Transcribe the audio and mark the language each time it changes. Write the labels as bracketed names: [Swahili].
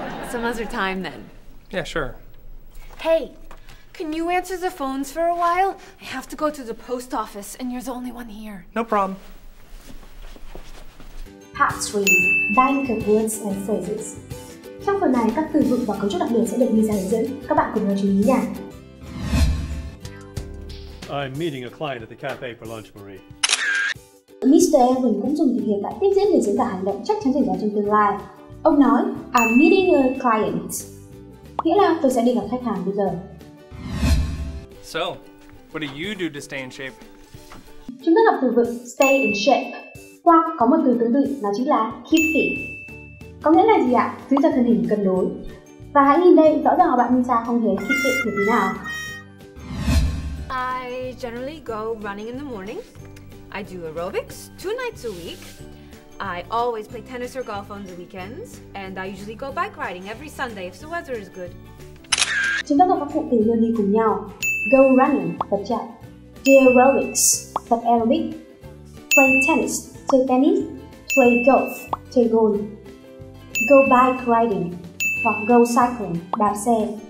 [English] Some other time then. Yeah, sure. Hey, can you answer the phones for a while? I have to go to the post office and you're the only one here. No problem. Part 3. Bank of words and phrases. [Vietnamese] Trong phần này, các từ vựng và cấu trúc đặc biệt sẽ được Misa hướng dẫn. Các bạn cùng nhau chú ý nha. [English] I'm meeting a client at the cafe for lunch, Marie. Mr. [Vietnamese] Erwin cũng dùng từ hiện tại tiếp diễn để diễn tả hành động chắc chắn xảy ra trong tương lai. Ông nói, [English] I'm meeting a client. [Vietnamese] Nghĩa là tôi sẽ đi gặp khách hàng bây giờ. [English] So, what do you do to stay in shape? [Vietnamese] Chúng ta gặp từ vựng stay in shape. Hoặc có một từ tương tự, nó chính là keep fit. Có nghĩa là gì ạ? Giữ cho thân hình cân đối. Và hãy nhìn đây, rõ ràng là bạn Misa không hề keep fit như thế nào. [English] I generally go running in the morning. I do aerobics 2 nights a week. I always play tennis or golf on the weekends. And I usually go bike riding every Sunday if the weather is good. [Vietnamese] Chúng ta có các cụm từ luôn đi cùng nhau. [English] Go running, [Vietnamese] tập chạy. [English] Do aerobics, [Vietnamese] tập aerobic. [English] Play tennis, chơi tennis. Play golf, chơi golf. Go bike riding, hoặc go cycling, [Vietnamese] đạp xe.